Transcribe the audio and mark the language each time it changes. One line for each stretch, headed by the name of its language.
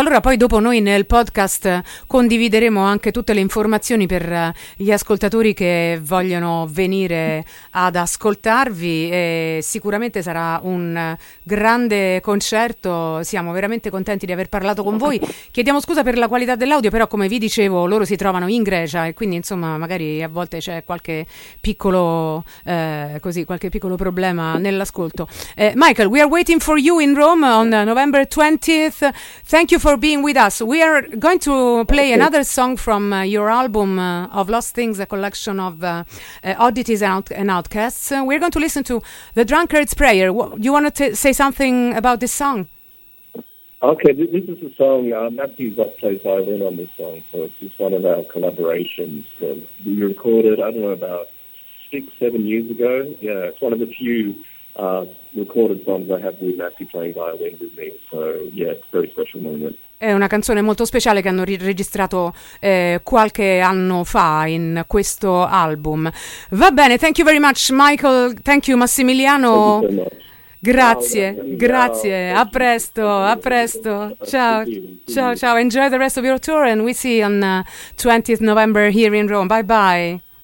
Italian: Allora poi dopo noi nel podcast condivideremo anche tutte le informazioni per gli ascoltatori che vogliono venire ad ascoltarvi e sicuramente sarà un grande concerto. Siamo veramente contenti di aver parlato con voi. Chiediamo scusa per la qualità dell'audio, però come vi dicevo loro si trovano in Grecia e quindi insomma magari a volte c'è qualche piccolo problema nell'ascolto.
English: Michael, we are waiting for you in Rome on November 20. Thank you for being with us. We are going to play another song from your album of Lost Things, a collection of oddities and outcasts. We're going to listen to The Drunkard's Prayer. You want to say something about this song? Okay, this is a song. Matthew Zott plays violin on this song, so it's just one of our collaborations. We recorded, I don't know, about 6-7 years ago. Yeah, it's one of the few recorded songs I have with Matthew playing violin with me, so yeah, it's a very special moment.
Italian: È una canzone molto speciale che hanno registrato qualche anno fa in questo album. Va bene,
English: thank you very much Michael, thank you Massimiliano. Thank you so much.
Italian: Grazie, grazie, a presto, a presto, ciao, ciao,
English: ciao, enjoy the rest of your tour and we see on 20th November here in Rome, bye bye.